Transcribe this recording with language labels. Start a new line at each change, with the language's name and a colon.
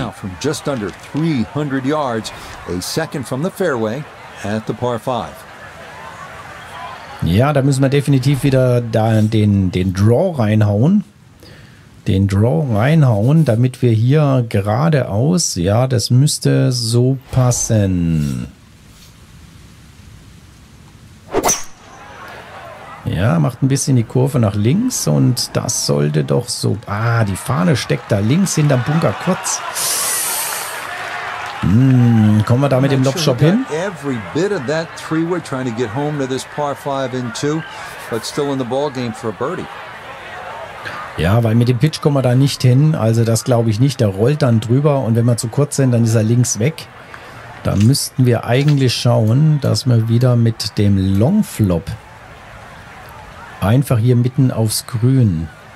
English: Now from just under 300 yards, a second from the fairway at the par 5.
German: Ja, da müssen wir definitiv wieder da den Draw reinhauen. Den Draw reinhauen, damit wir hier geradeaus, ja, das müsste so passen. Ja, macht ein bisschen die Kurve nach links und das sollte doch so... Ah, die Fahne steckt da links hinterm Bunker kurz. Kommen wir da mit dem Lobshop hin?
English: Every bit of that three we're trying to get home to this par five and two, but still in the ballgame for a birdie.
German: Ja, weil mit dem Pitch kommen wir da nicht hin. Also das glaube ich nicht. Der rollt dann drüber und wenn wir zu kurz sind, dann ist er links weg. Da müssten wir eigentlich schauen, dass wir wieder mit dem Longflop einfach hier mitten aufs Grün.